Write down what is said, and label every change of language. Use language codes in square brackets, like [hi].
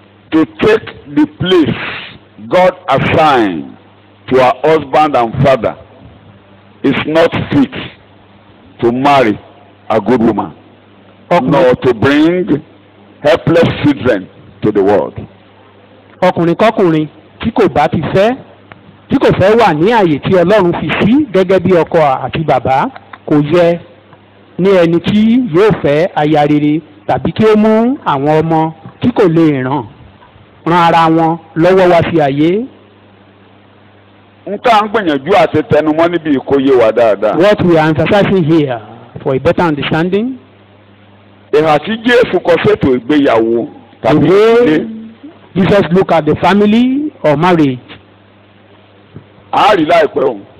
[en] To take the place God assigned to her husband and father is not fit to marry a good woman. Nor to bring helpless children. To the world. [yo] Ọkùnrin kọkùnrin tí kò bá ti fẹ́ tí kò fẹ́ wà ní ààyè tí Ọlọ́run fi sí gẹ́gẹ́ bí ọkọ àti bàbá kò yẹ ní ẹni tí yóò fẹ́ aya rere tàbí kí ó mú àwọn ọmọ tí kò lè ràn ran ara wọn lọ́wọ́ wá sí ayé. Nǹkan à ń gbìyànjú àti tẹnumọ́ níbi ìkóyè wa dáadáa. [en] What we are emphasizing here for a better understanding. [yo] Ìhà tí Jésù kọ sétò ìgbéyàwó. [en] The way Jesus look at the family or marriage. [yo] A rí láìpẹ́ o.